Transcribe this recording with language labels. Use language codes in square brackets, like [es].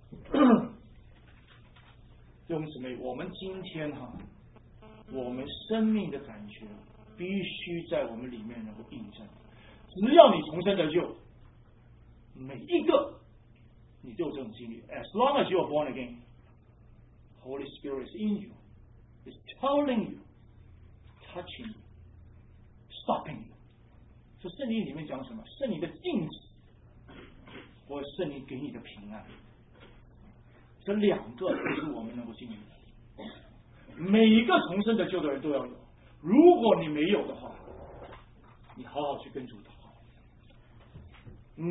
[zh] 弟兄姊妹，我们今天哈，我们生命的感觉必须在我们里面能够印证，只要你重生得救，每一个你都有这种经历。 [en] As long as you are born again, Holy Spirit is in you, is telling you, touching you, stopping you. [zh] 所以圣灵里面讲什么？圣灵的禁止或圣灵给你的平安，这两个都是我们能够经历的。每一个重生的救的人都要有，如果你没有的话，你好好去跟主祷告。